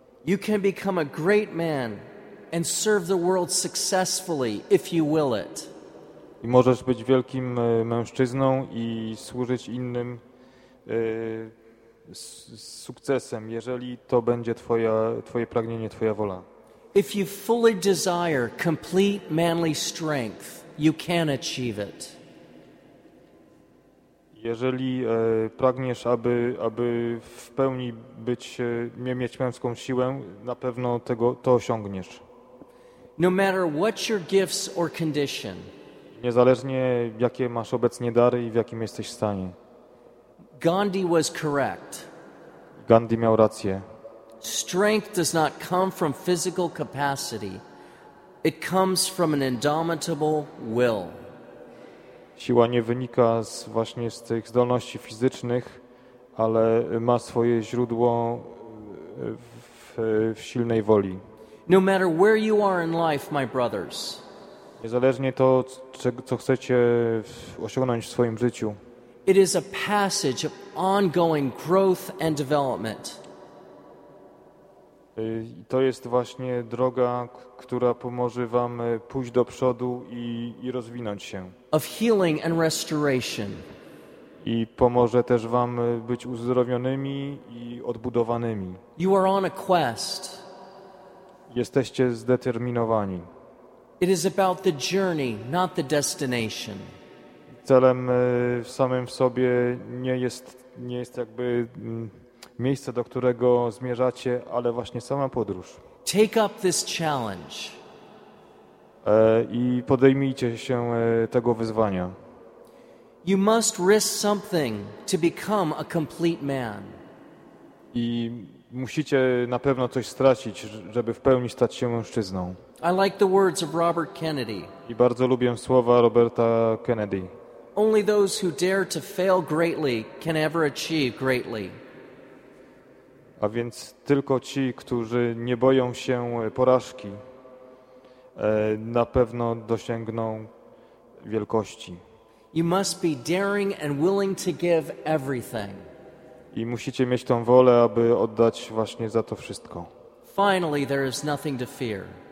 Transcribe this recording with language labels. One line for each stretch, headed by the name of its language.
English: You can become a great man and serve the world successfully if you will it.
Polish: I możesz być wielkim mężczyzną i służyć innym z sukcesem, jeżeli to będzie twoje pragnienie, twoja wola.
English: If you fully desire complete manly strength, you can achieve it.
Polish: Jeżeli pragniesz, aby w pełni mieć męską siłę, na pewno to osiągniesz.
English: No matter what your gifts or condition.
Polish: Niezależnie jakie masz obecnie dary i w jakim jesteś stanie.
English: Gandhi was correct.
Polish: Gandhi miał rację.
English: Strength does not come from physical capacity. It comes from an indomitable will.
Polish: Siła nie wynika właśnie z tych zdolności fizycznych, ale ma swoje źródło w silnej woli.
English: No matter where you are in life, my brothers.
Polish: Niezależnie to, co chcecie osiągnąć w swoim życiu.
English: It is a passage of ongoing growth and development.
Polish: To jest właśnie droga, która pomoże wam pójść do przodu i rozwinąć się.
English: Of healing and restoration.
Polish: I pomoże też wam być uzdrowionymi i odbudowanymi.
English: You are on a quest.
Polish: Jesteście zdeterminowani.
English: It is about the journey, not the destination.
Polish: Celem w samym w sobie nie jest jakby miejsce, do którego zmierzacie, ale właśnie sama podróż.
English: Take up this challenge.
Polish: I podejmijcie się tego wyzwania.
English: You must risk something to become a complete man.
Polish: I musicie na pewno coś stracić, żeby w pełni stać się mężczyzną.
English: I like the words of Robert Kennedy.
Polish: I bardzo lubię słowa Roberta Kennedy.
English: Only those who dare to fail greatly can ever achieve greatly.
Polish: A więc tylko ci, którzy nie boją się porażki, na pewno dosięgną wielkości.
English: You must be daring and willing to give everything.
Polish: I musicie mieć tą wolę, aby oddać właśnie za to wszystko.
English: Finally, there is nothing to fear.